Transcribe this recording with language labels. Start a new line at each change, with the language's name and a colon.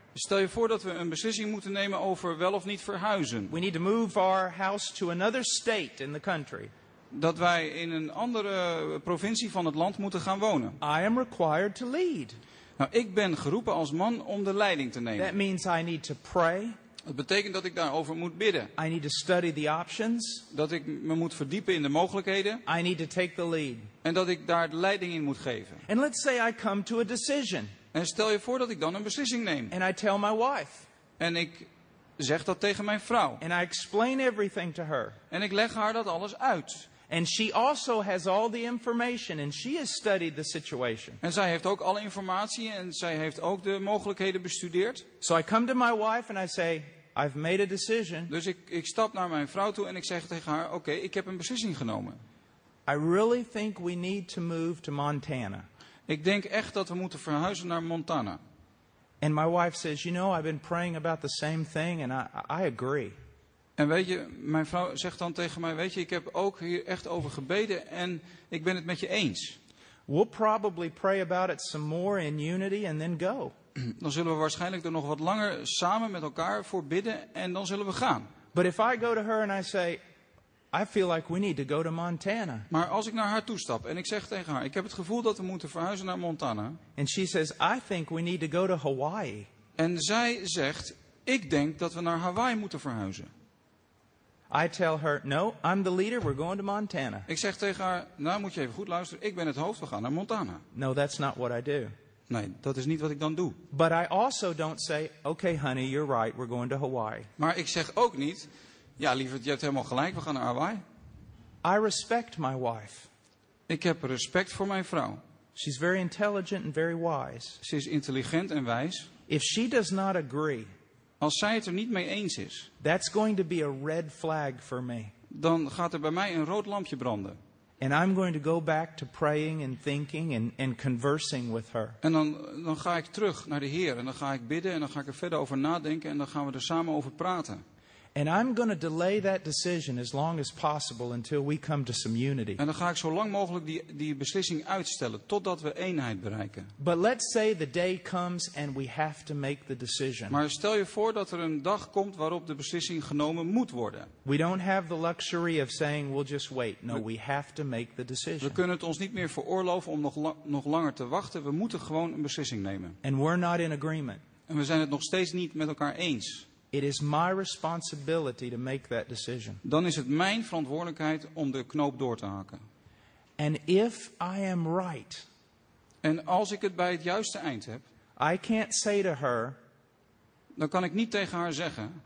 Dutch: Stel je voor dat we een beslissing moeten nemen over wel of niet verhuizen.
English: We need to move our house to another state in the country.
Dutch: Dat wij in een andere provincie van het land moeten gaan wonen.
English: I am required to lead.
Dutch: Nou, ik ben geroepen als man om de leiding te nemen.
English: That means I need to pray.
Dutch: Dat betekent dat ik daarover moet bidden.
English: I need to study the options.
Dutch: Dat ik me moet verdiepen in de mogelijkheden.
English: I need to take the lead.
Dutch: En dat ik daar de leiding in moet geven.
English: And let's say I come to a decision.
Dutch: En stel je voor dat ik dan een beslissing neem.
English: And I tell my wife.
Dutch: En ik zeg dat tegen mijn vrouw.
English: And I explain everything to her.
Dutch: En ik leg haar dat alles uit.
English: And she also has all the information and she has studied the situation.
Dutch: En zij heeft ook alle informatie en zij heeft ook de mogelijkheden bestudeerd.
English: So I come to my wife and I say, I've made a decision.
Dutch: Dus ik stap naar mijn vrouw toe en ik zeg tegen haar, oké, ik heb een beslissing genomen.
English: I really think we need to move to Montana.
Dutch: Ik denk echt dat we moeten verhuizen naar Montana.
English: And my wife says, you know, I've been praying about the same thing and I agree.
Dutch: En weet je, mijn vrouw zegt dan tegen mij, weet je, ik heb ook hier echt over gebeden en ik ben het met je eens.
English: We'll probably pray about it some more in unity and then go.
Dutch: Dan zullen we waarschijnlijk er nog wat langer samen met elkaar voor bidden en dan zullen we gaan.
English: But if I go to her and I say, I feel like we need to go to Montana.
Dutch: Maar als ik naar haar toestap en ik zeg tegen haar, ik heb het gevoel dat we moeten verhuizen naar Montana.
English: And she says, I think we need to go to Hawaii.
Dutch: En zij zegt, ik denk dat we naar Hawaii moeten verhuizen.
English: I tell her, no, I'm the leader, we're going to Montana.
Dutch: Ik zeg tegen haar, nou moet je even goed luisteren, ik ben het hoofd, we gaan naar Montana.
English: No, that's not what I do.
Dutch: Nee, dat is niet wat ik dan doe.
English: But I also don't say, okay honey, you're right, we're going to Hawaii.
Dutch: Maar ik zeg ook niet, ja lieverd, je hebt helemaal gelijk, we gaan naar Hawaii.
English: I respect my wife.
Dutch: Ik heb respect voor mijn vrouw.
English: She's very intelligent and very wise.
Dutch: Ze is intelligent en wijs.
English: If she does not agree.
Dutch: Als zij het er niet mee eens is.
English: That's going to be a red flag for me.
Dutch: Dan gaat er bij mij een rood lampje branden.
English: And I'm going to go back to praying and thinking and conversing with her.
Dutch: En dan ga ik terug naar de Heer en dan ga ik bidden en dan ga ik er verder over nadenken en dan gaan we er samen over praten.
English: And I'm going to delay that decision as long as possible until we come to some unity.
Dutch: En dan ga ik zo lang mogelijk die beslissing uitstellen totdat we eenheid bereiken.
English: But let's say the day comes and we have to make the decision.
Dutch: Maar stel je voor dat er een dag komt waarop de beslissing genomen moet worden.
English: We don't have the luxury of saying we'll just wait. No, we have to make the decision.
Dutch: We kunnen het ons niet meer veroorloven om nog langer te wachten. We moeten gewoon een beslissing nemen.
English: And we're not in agreement.
Dutch: En we zijn het nog steeds niet met elkaar eens.
English: It is my responsibility to make that decision.
Dutch: Dan is het mijn verantwoordelijkheid om de knoop door te hakken.
English: And if I am right.
Dutch: En als ik het bij het juiste eind heb.
English: I can't say to her.
Dutch: Dan kan ik niet tegen haar zeggen.